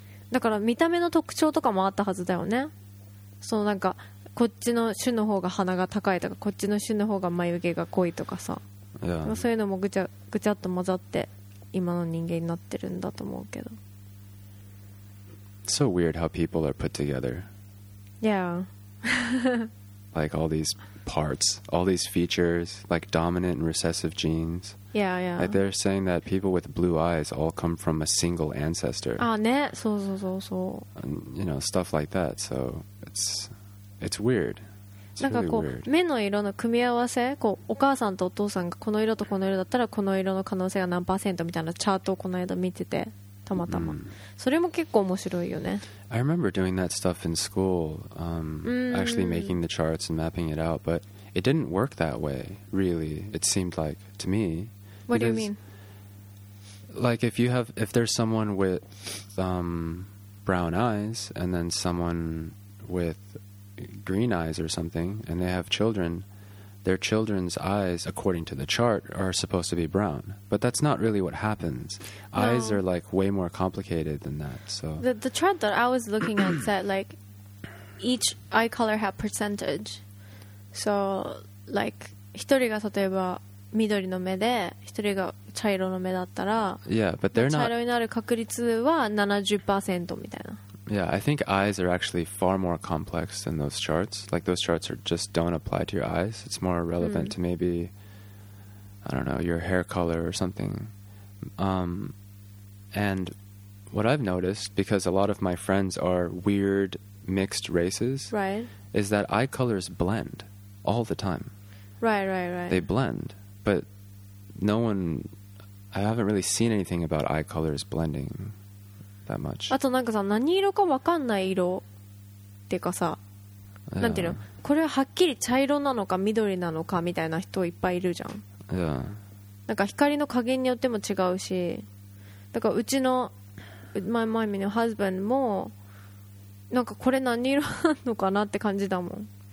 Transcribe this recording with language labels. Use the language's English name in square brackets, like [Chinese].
[Japanese] だから見た目の特徴とかもあったはずだよね。そのなんか、こっちの種の方が鼻が高いとか、こっちの種の方が眉毛が濃いとかさ、 [English] yeah. [Japanese] そういうのもぐちゃぐちゃっと混ざって今の人間になってるんだと思うけど。 [English] It's so weird how people are put together. Yeah. Like all these parts, all these features, like dominant and recessive genes. Yeah, yeah. Like they're saying that people with blue eyes all come from a single ancestor. [Japanese] Ah, ne, so so so so. [English] You know, stuff like that. So It's weird. It's [Japanese] なんかこう、 [English] really weird. [Japanese] 目の色の組み合わせ、こうお母さんとお父さんがこの色とこの色だったらこの色の可能性が何パーセントみたいなチャートをこの間見てて、たまたま、mm. それも結構面白いよね。 [English] I remember doing that stuff in school, actually making the charts and mapping it out, but it didn't work that way, really. It seemed like to me. What do you mean? Like if there's someone with brown eyes and then someone with green eyes or something, and they have children, their children's eyes, according to the chart, are supposed to be brown. But that's not really what happens. No. Eyes are like way more complicated than that. So the chart that I was looking at said like each eye color had percentage. So like [Japanese] 一人が例えば緑の目で、一人が茶色の目だったら、 [English] yeah, but they're not [Japanese] 茶色になる確率は 70% みたいな。 [English] Yeah, I think eyes are actually far more complex than those charts. Like, those charts are just don't apply to your eyes. It's more relevant to maybe, I don't know, your hair color or something. And what I've noticed, because a lot of my friends are weird mixed races, right, is that eye colors blend all the time. Right, right, right. They blend, but no one... I haven't really seen anything about eye colors blending. That much. [Japanese] あとなんかさ、何色か分かんない色っていうかさ、 [English] yeah. [Japanese] なんていうの、これははっきり茶色なのか緑なのかみたいな人いっぱいいるじゃん、 [English] yeah. [Japanese] なんか光の加減によっても違うし、だからうちの [English] my mommy [Japanese] の husband もなんかこれ何色なのかなって感じだもん。